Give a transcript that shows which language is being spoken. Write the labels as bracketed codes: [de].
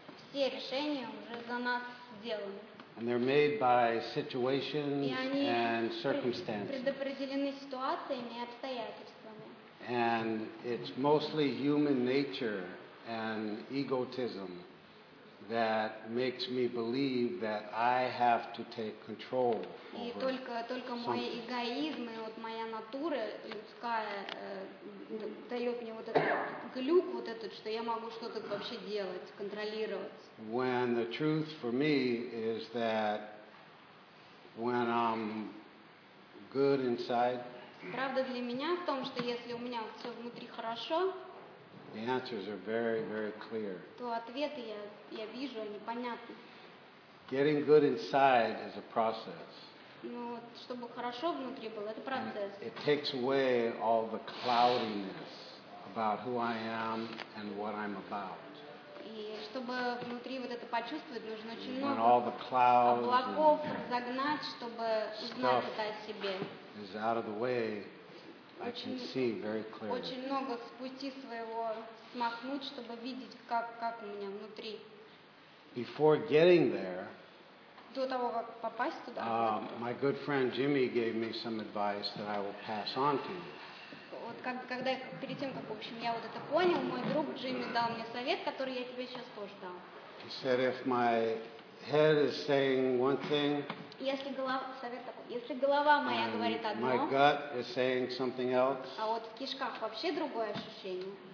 [ru] Все решения уже за нас сделаны. [en] And they're made by situations and circumstances. [ru] Предопределены ситуациями и обстоятельствами. [en] And it's mostly human nature and egotism that makes me believe that I have to take control. [ru] И только мой эгоизм и вот моя натура людская дает мне вот этот глюк вот этот, что я могу что-то вообще делать, контролировать. [en] When the truth for me is that when I'm good inside. [ru] Правда для меня в том, что если у меня все внутри хорошо. [en] The answers are very, very clear. [ru] То ответы я вижу, они понятны. [en] Getting good inside is a process. [ru] Ну, чтобы хорошо внутри было, это процесс. [en] It takes away all the cloudiness about who I am and what I'm about. [ru] И чтобы внутри вот это почувствовать, нужно очень много. [en] When all the clouds [ru] облаков разогнать, чтобы узнать это о себе. [en] Is out of the way. I can see very clearly. [ru] Очень много с пути своего смахнуть, чтобы видеть, как у меня внутри. [en] Before getting there. [ru] До того, как попасть туда. [en] My good friend Jimmy gave me some advice that I will pass on to you. [ru] Вот когда перед тем, как в общем я вот это понял, мой друг Джимми дал мне совет, который я тебе сейчас тоже дам. [en] He said if my head is saying one thing. [ru] если голова, совет такой, если голова моя говорит одно, [en] my gut is saying something else, [ru] а вот в кишках вообще другое ощущение,